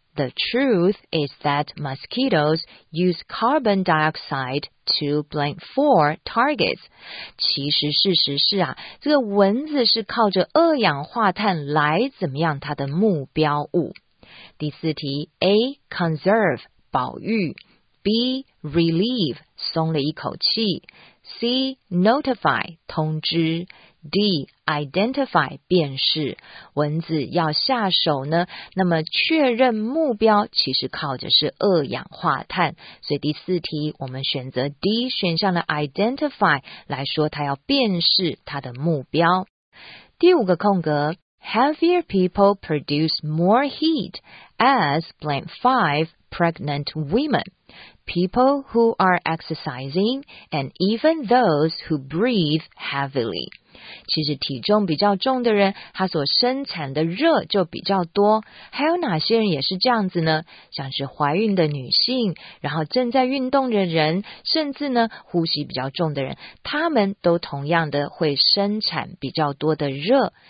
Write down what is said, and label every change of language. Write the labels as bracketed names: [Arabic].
[English] The truth is that mosquitoes use carbon dioxide to blank for targets. [Chinese] 其实事实是啊，这个蚊子是靠着二氧化碳来怎么样它的目标物。第四题 A. Conserve 保育 B. Relieve 松了一口气 C. Notify 通知 D. Identify 辨识蚊子要下手呢那么确认目标其实靠着是二氧化碳所以第四题我们选择 D 选项的 Identify 来说它要辨识它的目标第五个空格 [English] Heavier people produce more heat as blank 5 pregnant women. People who are exercising and even those who breathe heavily. [Chinese] 其实体重比较重的人他所生产的热就比较多。还有哪些人也是这样子呢像是怀孕的女性然后正在运动的人甚至呢呼吸比较重的人他们都同样的会生产比较多的热。